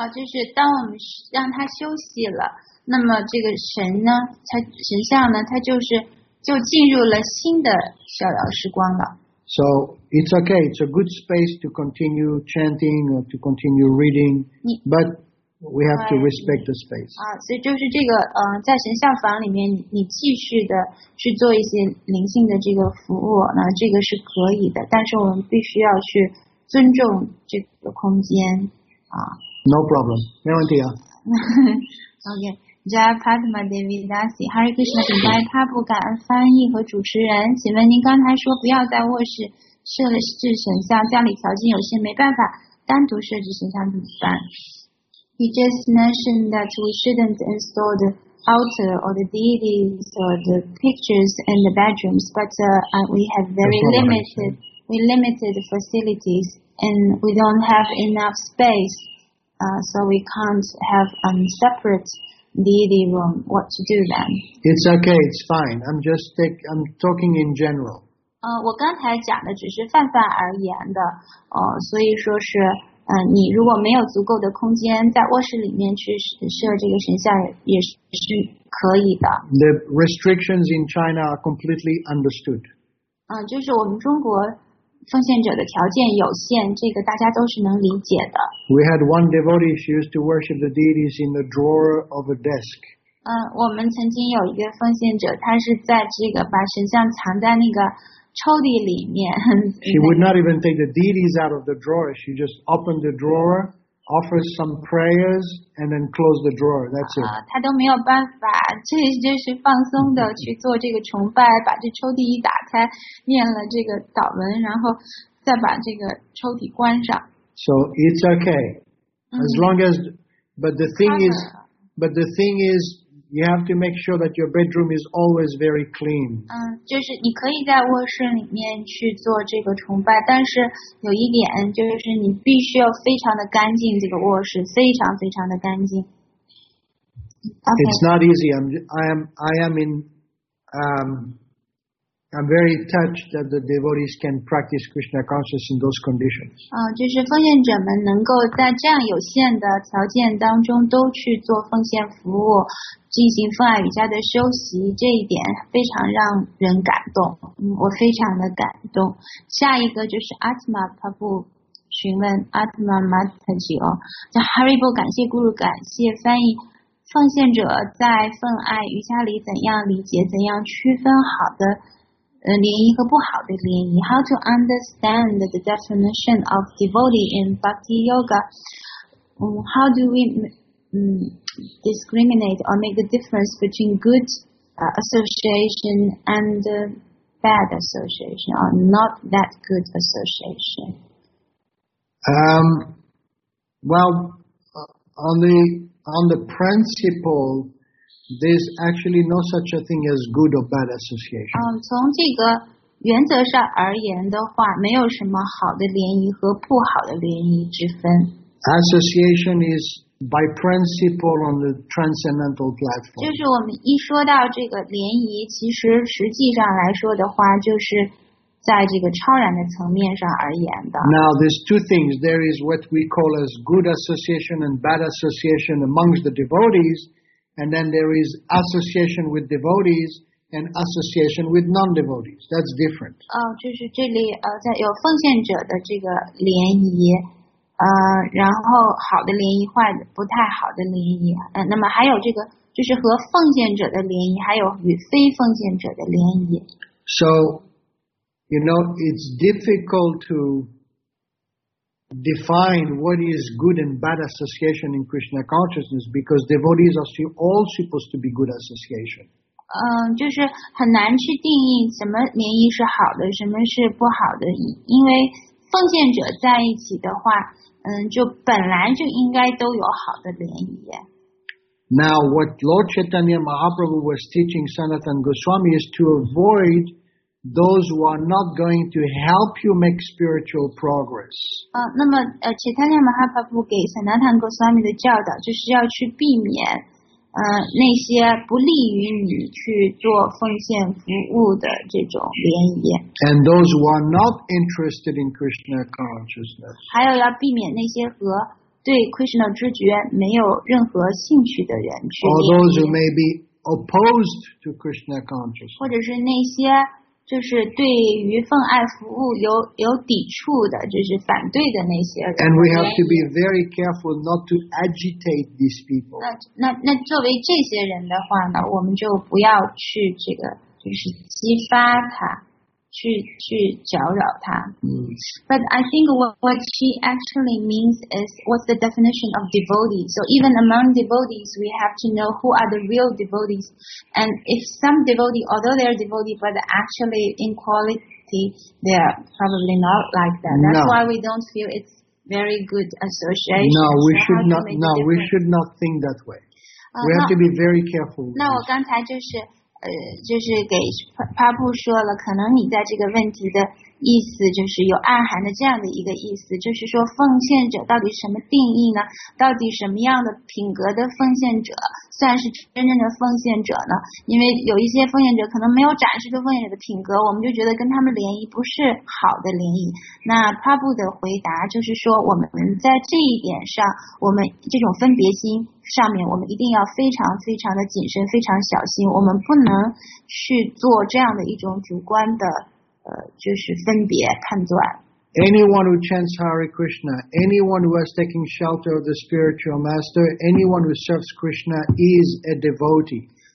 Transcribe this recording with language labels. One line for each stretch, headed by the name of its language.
Chinese: 就是当我们让它休息了，那么这个神呢，它神像呢，它就进入了新的逍遥时光了。
English: So it's okay. It's a good space to continue chanting or to continue reading, but we have to respect the space.
Chinese: 所以就是这个，在神像房里面，你继续的去做一些灵性的这个服务，那这个是可以的。但是我们必须要去尊重这个空间，
English: No problem,
Chinese: 没问题啊。 OK, Jaya Padma Devi Dasi, Hare Krishna, 请代他不感恩翻译和主持人。请问您刚才说不要在卧室设置神像，家里条件有限，没办法单独设置神像怎么办？
English: He just mentioned that we shouldn't install the altar or the deities or the pictures in the bedrooms, but we have very limited facilities and we don't have enough space, so we can't have separate deity room, what to do then? It's okay, it's fine. I'm talking in general.
Chinese: 我刚才讲的只是泛泛而言的，所以说是，你如果没有足够的空间在卧室里面去设这个神像也是可以的。
English: The restrictions in China are completely understood.
Chinese: 就是我们中国奉献者的条件有限，这个大家都是能理解的。
English: We had one devotee who used to worship the deities in the drawer of a desk.
Chinese: 我们曾经有一个奉献者，他是在这个把神像藏在那个抽屉里面。
English: She would not even take the deities out of the drawer. She just opened the drawer, offered some prayers, and then closed the drawer. That's it.
Chinese: 他都没有办法，这就是放松的去做这个崇拜，把这抽屉一打开，念了这个祷文，然后再把这个抽屉关上。
English: So it's okay. As long as, but the thing is,You have to make sure that your bedroom is always very clean.
Chinese: 就是你可以在卧室里面去做这个崇拜，但是有一点就是你必须要非常的干净，这个卧室非常非常的干净。
English: Okay. It's not easy. I'm very touched that the devotees can practice Krishna consciousness in those conditions.
Chinese: 就是奉献者们能够在这样有限的条件当中都去做奉献服务，进行奉爱瑜伽的修习，这一点非常让人感动。我非常的感动。下一个就是 Atma Prabhu 询问 Atma Mataji 哦，叫 Haribo， 感谢 Guru， 感谢翻译。奉献者在奉爱瑜伽里怎样理解，怎样区分好的联谊和不好的联谊 ？
English: How to understand the definition of devotee in Bhakti Yoga？ How do we discriminate or make the difference between good association and bad association or not that good association? Well, on the principle, there's actually no such a thing as good or bad association.
Chinese: 从这个原则上而言的话，没有什么好的联谊和不好的联谊之分。
English: Association is. By principle on the transcendental platform.
Chinese: 就是我们一说到这个联谊，其实实际上来说的话，就是在这个超然的层面上而言的。
English: Now there's two things. There is what we call as good association and bad association amongst the devotees, and then there is association with devotees. And association with non-devotees. That's different.
Chinese: 就是这里在有奉献者的这个联谊。然后好的联谊坏的不太好的联谊那么还有这个就是和奉献者的联谊还有与非奉献者的联谊
English: So, you know, it's difficult to define what is good and bad association in Krishna consciousness because devotees are still all supposed to be good association.
Chinese: 就是很难去定义什么联谊是好的什么是不好的因为奉献者在一起的话就本来就应该都有好的联谊。
English: Now, what Lord Chaitanya Mahaprabhu was teaching Sanatana Goswami is to avoid those who are not going to help you make spiritual progress.
Chinese: 那么Chaitanya Mahaprabhu 给 Sanatana Goswami 的教导就是要去避免那些不利于你去做奉献服务的这种联谊。
English: And those who are not interested in Krishna consciousness.
Chinese: 还有要避免那些和对 Krishna 知觉没有任何兴趣的人去联谊。
English: Or those who may be opposed to Krishna consciousness.
Chinese: 或者是那些就是对于奉爱服务有抵触的，就是反对的那些人。
English: And we have to be very careful not to agitate these people.
Chinese: 那作为这些人的话呢，我们就不要去这个，就是激发他，去搅扰他。
English: But I think what she actually means is what's the definition of devotee. So even among devotees, we have to know who are the real devotees. And if some devotee, although they're devotee, but actually in quality, they're probably not like that. That's why we don't feel it's very good association. We should not think that way. We have to be very careful.
Chinese: 那我刚才就是给 Prabhu 说了，可能你在这个问题的意思就是有暗含的这样的一个意思，就是说奉献者到底什么定义呢？到底什么样的品格的奉献者算是真正的奉献者呢？因为有一些奉献者可能没有展示出奉献者的品格，我们就觉得跟他们联谊不是好的联谊。那帕布的回答就是说，我们在这一点上，我们这种分别心上面，我们一定要非常非常的谨慎，非常小心，我们不能去做这样的一种主观的就是分别判断。
English: Anyone who chants Hare Krishna, anyone who has taken shelter of the spiritual master, anyone who serves Krishna is a devotee.